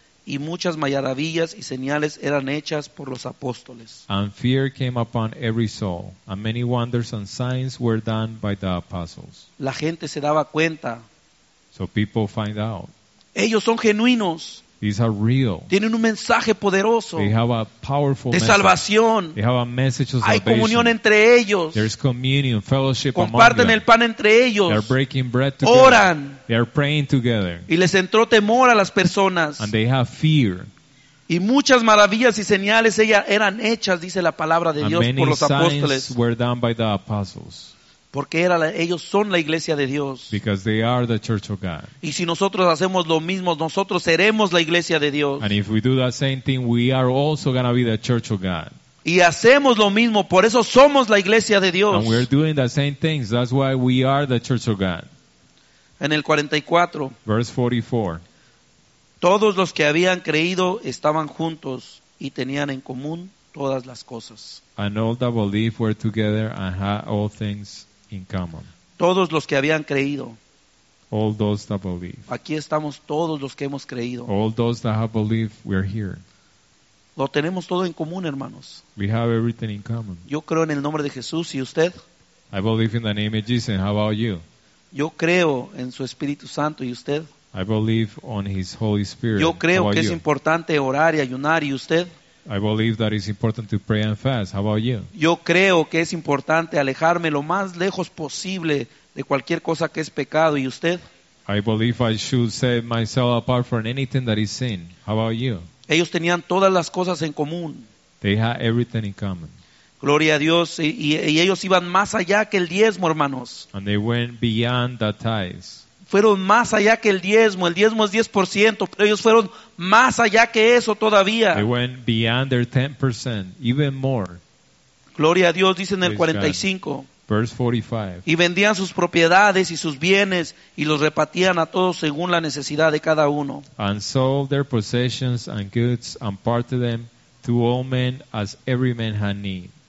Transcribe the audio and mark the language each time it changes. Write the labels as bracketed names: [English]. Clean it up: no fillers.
[Spanish] Y muchas maravillas y señales eran hechas por los apóstoles. [English] And fear came upon every soul, and many wonders and signs were done by the apostles. [Spanish] La gente se daba cuenta. [English] So people find out. [Spanish] Ellos son genuinos. [English] These are real. [Spanish] Tienen un mensaje poderoso. [English] They have a powerful [Spanish] de salvación. [English] They have a message of salvation. [Spanish] Hay comunión entre ellos. [English] There's communion, fellowship. [Spanish] Comparten [English] among [Spanish] el pan entre ellos. [English] They are breaking bread together. [Spanish] Oran. [English] They are praying together. [Spanish] Y les entró temor a las personas. [English] And they have fear. [Spanish] Y muchas maravillas y señales eran hechas, dice la palabra de Dios, por los apóstoles. [English] Were done by the apostles. [Spanish] Porque ellos son la iglesia de Dios. [English] Because they are the church of God. [Spanish] Y si nosotros hacemos lo mismo, nosotros seremos la iglesia de Dios. [English] And if we do the same thing, we are also going to be the church of God. [Spanish] Y hacemos lo mismo, por eso somos la iglesia de Dios. [English] And we're doing the same things, that's why we are the church of God. [Spanish] En el 44. [English] Verse 44. [Spanish] Todos los que habían creído estaban juntos y tenían en común todas las cosas. [English] And all that believed were together and had all things in common. [Spanish] Todos los que habían creído. [English] All those that believe. [Spanish] Aquí estamos todos los que hemos creído. [English] All those that have believed, we are here. [Spanish] Lo tenemos todo en común, hermanos. [English] We have everything in common. [Spanish] Yo creo en el nombre de Jesús, ¿y usted? [English] I believe in the name of Jesus. How about you? [Spanish] Yo creo en su Espíritu Santo, ¿y usted? [English] I believe on his Holy Spirit. [Spanish] Yo creo que [English] you? [Spanish] Es importante orar y ayunar, ¿y usted? [English] I believe that it's important to pray and fast. How about you? [Spanish] Yo creo que es importante alejarme lo más lejos posible de cualquier cosa que es pecado. ¿Y usted? [English] I believe I should set myself apart from anything that is sin. How about you? [Spanish] Ellos tenían todas las cosas en común. [English] They had everything in common. [Spanish] Gloria a Dios. Y ellos iban más allá que el diezmo, hermanos. [English] And they went beyond the tithes. [Spanish] Fueron más allá que el diezmo. El diezmo es 10%, pero ellos fueron más allá que eso todavía. [English] They went beyond their 10%, even more. [Spanish] Gloria a Dios, dice en el 45. [English] Verse 45. [Spanish] Y vendían sus propiedades y sus bienes y los repartían a todos según la necesidad de cada uno. [English] And sold their possessions and goods and parted them to all men as every man had need.